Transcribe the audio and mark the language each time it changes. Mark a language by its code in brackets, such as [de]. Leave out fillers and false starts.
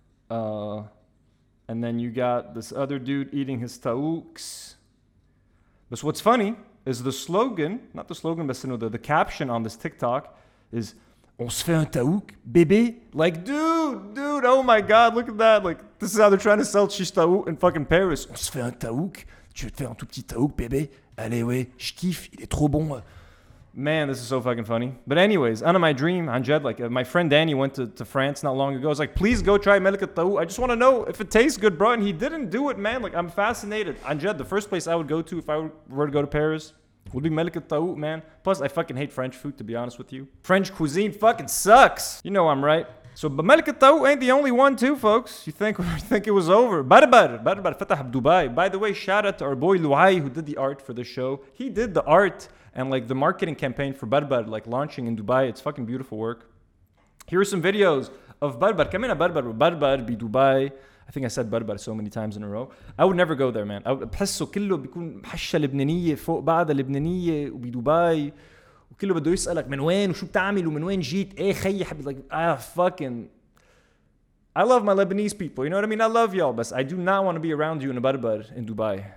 [en] And then you got this other dude eating his taouks. But what's funny is the slogan, not the slogan, but the caption on this TikTok is, [fr] on se fait un taouk, bébé? [en] Like, dude, oh my God, look at that. Like, this is how they're trying to sell chiche taouk in fucking Paris. [fr] On se fait un taouk? Tu veux te faire un tout petit taouk, bébé? Allez, ouais, je kiffe, il est trop bon. [en] Man, this is so fucking funny. But anyways, out of my dream, Anjed, like, my friend Danny went to France not long ago. I was like, please go try Malek Taou. I just want to know if it tastes good, bro. And he didn't do it, man. Like, I'm fascinated. Anjed, the first place I would go to if I were to go to Paris would be Malek Taou, man. Plus, I fucking hate French food, to be honest with you. French cuisine fucking sucks. You know I'm right. So, but Malek Taou ain't the only one, too, folks. You think it was over. Barbar, Fatah Dubai. By the way, shout out to our boy Luai, who did the art for the show. He did the art. And like the marketing campaign for Barbar, like launching in Dubai, it's fucking beautiful work. Here are some videos of Barbar. كمان Barbar, Barbar in Dubai. I think I said Barbar so many times in a row. I would never go there, man. [ar] بحسه كله بيكون حشة لبنانية فوق بعض لبنانية وبدبي وكله بده يسألك من وين وشو بتعمل ومن وين جيت ايه خي حبيت [en] like ah fucking. I love my Lebanese people. You know what I mean? I love y'all, but I do not want to be around you in a Barbar in Dubai.